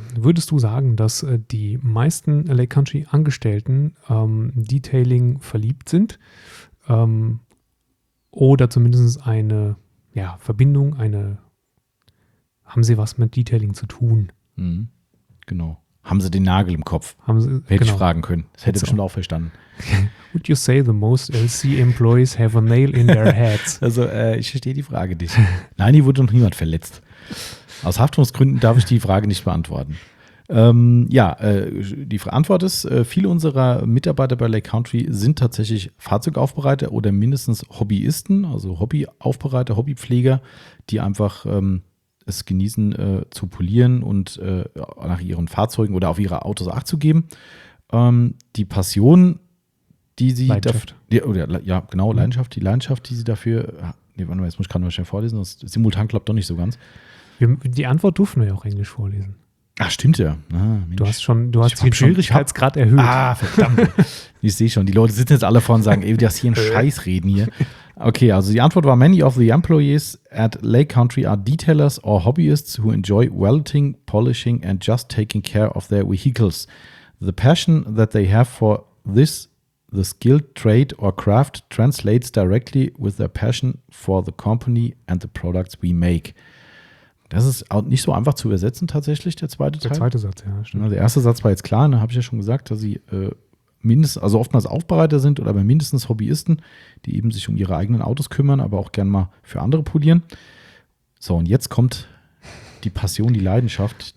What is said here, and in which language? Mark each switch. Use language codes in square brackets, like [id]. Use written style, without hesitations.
[de] Würdest du sagen, dass die meisten Lake Country Angestellten Detailing verliebt sind oder zumindest eine Verbindung, haben sie was mit Detailing zu tun? Mhm. Genau. Haben sie den Nagel im Kopf? Hätte ich fragen können. Das hätte ich schon auch verstanden. [en] Would you say the most LC employees have a nail in their heads? [de] Also ich verstehe die Frage nicht. Nein, hier wurde noch niemand verletzt. Aus Haftungsgründen darf ich die Frage nicht beantworten. Die Antwort ist, viele unserer Mitarbeiter bei Lake Country sind tatsächlich Fahrzeugaufbereiter oder mindestens Hobbyisten, also Hobbyaufbereiter, Hobbypfleger, die einfach es genießen, zu polieren und nach ihren Fahrzeugen oder auf ihre Autos Acht zu geben. Die Passion, die sie Leidenschaft. Leidenschaft. Die Leidenschaft, die sie dafür. Warte mal, jetzt muss ich gerade mal schnell vorlesen, das simultan klappt doch nicht so ganz. Die Antwort durften wir ja auch Englisch vorlesen. Ach, stimmt ja. Ah, du hast schon, du hast den Schwierigkeitsgrad erhöht. Ah, verdammt. Ich sehe schon, die Leute sitzen jetzt alle vor und sagen, ey, du hast hier einen Scheiß reden hier. Okay, also die Antwort war, [en] many of the employees at Lake Country are detailers or hobbyists who enjoy welding, polishing and just taking care of their vehicles. The passion that they have for this, the skilled trade or craft, translates directly with their passion for the company and the products we make. [de] Das ist auch nicht so einfach zu übersetzen tatsächlich, der zweite Teil. Der zweite Satz, ja, stimmt. Na, der erste Satz war jetzt klar, ne, habe ich ja schon gesagt, dass sie also oftmals Aufbereiter sind oder aber mindestens Hobbyisten, die eben sich um ihre eigenen Autos kümmern, aber auch gern mal für andere polieren. So, und jetzt kommt die Passion, die Leidenschaft.